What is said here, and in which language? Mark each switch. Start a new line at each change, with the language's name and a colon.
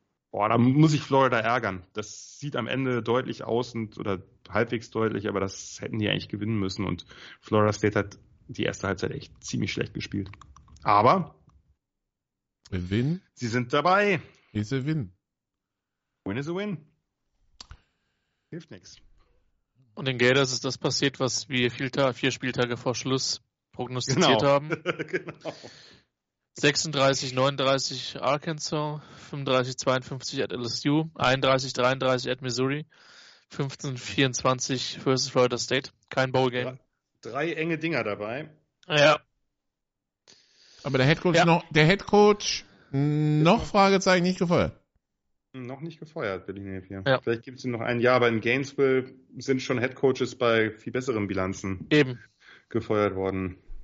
German: Boah, da muss ich Florida ärgern. Das sieht am Ende deutlich aus oder halbwegs deutlich, aber das hätten die eigentlich gewinnen müssen. Und Florida State hat die erste Halbzeit echt ziemlich schlecht gespielt. Aber
English: a win.
German: Sie sind dabei.
English: Is a win. Win is a win.
German: Hilft nichts. Und den Gators ist das passiert, was wir vier Spieltage vor Schluss prognostiziert genau. haben. Genau. 36-39 Arkansas, 35-52 at LSU, 31-33 at Missouri, 15-24 versus Florida State. Kein Bowl-Game. Drei enge Dinger dabei. Ja. Aber der Headcoach noch Fragezeichen, nicht gefeuert. Noch nicht gefeuert, Billy Napier. Ja. Vielleicht gibt es ihn noch ein Jahr, aber in Gainesville sind schon Headcoaches bei viel besseren Bilanzen eben gefeuert worden.